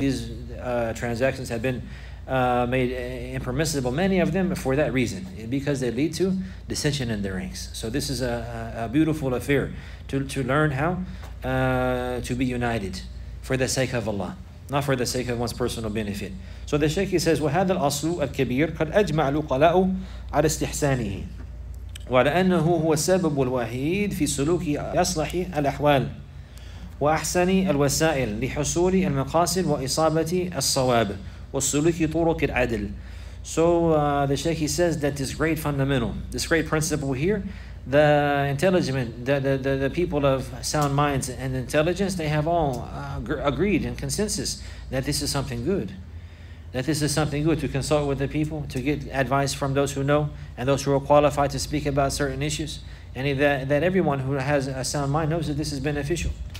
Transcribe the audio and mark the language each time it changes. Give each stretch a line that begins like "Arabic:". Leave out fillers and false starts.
English: These transactions have been made impermissible, many of them, for that reason, because they lead to dissension in the ranks. So this is a beautiful affair to learn how to be united for the sake of Allah, not for the sake of one's personal benefit. So the Shaykh, he says,
Arabic: وَهَذَا الْأَصْلُ الْكَبِيرُ قَدْ أَجْمَعَ الْوُقَلَاءُ عَلَى اسْتِحْسَانِهِ وَلَأَنَّهُ هُوَ السَّبَبُ الْوَحِيدُ فِي سُلُوكِ أَصْلَحِ الْأَحْوَالِ وَأَحْسَنِ الْوَسَائِلِ لِحُصُولِ الْمَقَاصِدِ وَإِصَابَةِ الصَّوَابِ وَالسُّلُوكِ طُرُقِ الْعَدْلِ.
English: So the Shaykh, he says that this great fundamental, this great principle here, the intelligent, the people of sound minds and intelligence, they have all agreed in consensus that this is something good. that this is something good, to consult with the people, to get advice from those who know and those who are qualified to speak about certain issues, and that everyone who has a sound mind knows that this is beneficial.